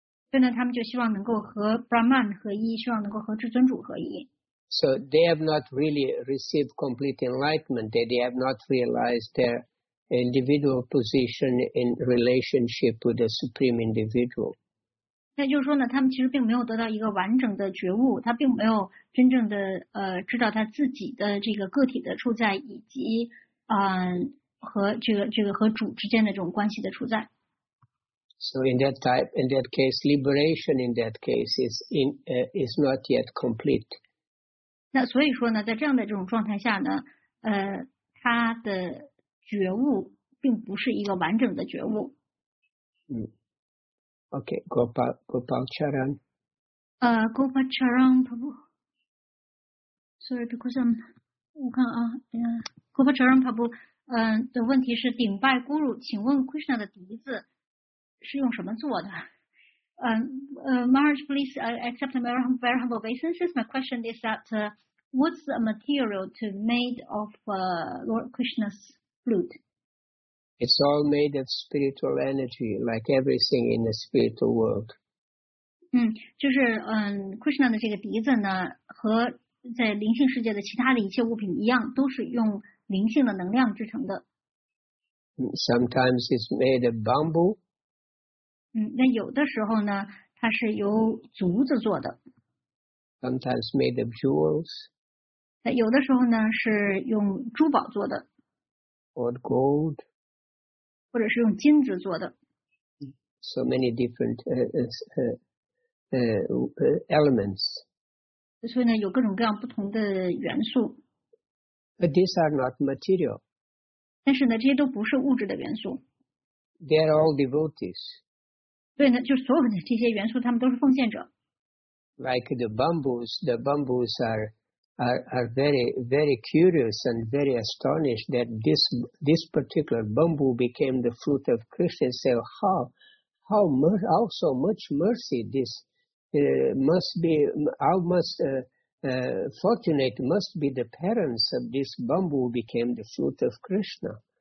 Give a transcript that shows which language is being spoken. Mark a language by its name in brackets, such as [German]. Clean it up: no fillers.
[Chinese] 所以呢，他们就希望能够和 Brahman 合一，希望能够和至尊主合一。 [English] So they have not really received complete enlightenment. They have not realized their individual position in relationship with the Supreme Individual. [Chinese] 那就是说呢，他们其实并没有得到一个完整的觉悟，他并没有真正的知道他自己的这个个体的处在以及和这个和主之间的这种关系的处在。 [English] So in that type, in that case, liberation in that case is not yet complete. [Chinese] 那所以说呢，在这样的这种状态下呢，他的觉悟并不是一个完整的觉悟。 [English] Okay, Gopal Charan. Gopal Charan, Prabhu. Sorry, because I'm. [Chinese] 我看啊，Gopal Charan, Prabhu。的问题是顶拜咕噜，请问 Krishna 的笛子是用什么做的？ [English] Maharaj, please accept my very humble obeisances. My question is that what's the material to made of Lord Krishna's flute? It's all made of spiritual energy, like everything in the spiritual world. [Chinese] 就是Krishna 的这个笛子呢，和在灵性世界的其他的一切物品一样，都是用灵性的能量制成的。 [English] Sometimes it's made of bamboo. [Chinese] 那有的时候呢，它是由竹子做的。 [English] Sometimes made of jewels. [Chinese] 那有的时候呢，是用珠宝做的。 [English] Or gold. [Chinese] 或者是用金子做的。 [English] So many different elements. [Chinese] 所以呢，有各种各样不同的元素。 [English] But these are not material. [Chinese] 但是呢，这些都不是物质的元素。 [English] They are all devotees. [Chinese] 对呢，就所有的这些元素，他们都是奉献者。 [English] Like the bamboos are very, very curious and very astonished that this particular bamboo became the fruit of Krishna. So how so much mercy this must be, how must fortunate must be the parents of this bamboo became the fruit of Krishna.